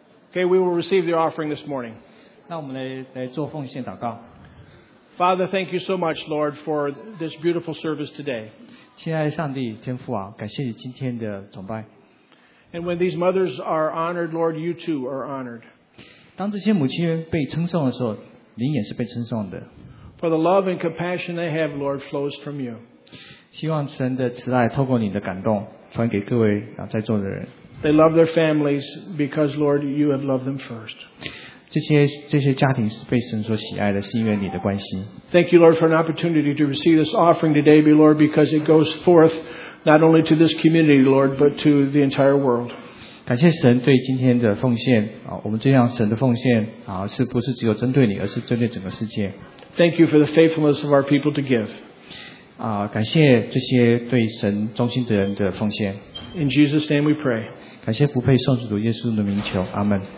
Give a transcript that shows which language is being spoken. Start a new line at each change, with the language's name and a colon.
English: Okay, we will receive the offering this morning.
Chinese: 那我们来做奉献祷告。
English: Father, thank you so much, Lord, for this beautiful service today.
Chinese: 亲爱的上帝，天父啊，感谢你今天的崇拜。
English: And when these mothers are honored, Lord, you too are honored.
Chinese: 当这些母亲被称颂的时候，您也是被称颂的。
English: For the love and compassion they have, Lord, flows from you.
Chinese: 希望神的慈爱透过你的感动，传给各位啊在座的人。
English: They love their families because, Lord, you have loved them first.
Chinese: 这些家庭是被神所喜爱的，是因为你的关系。
English: Thank you, Lord, for an opportunity to receive this offering today, Lord, because it goes forth not only to this community, Lord, but to the entire world.
Chinese: 感谢神对今天的奉献啊，我们这样神的奉献啊，是不是只有针对你，而是针对整个世界
English: ？Thank you for the faithfulness of our people to give.
Chinese: 感谢这些对神忠心的人的奉献。
English: In Jesus' name, we pray.
Chinese: 感谢不配圣主主耶稣的名求，阿门。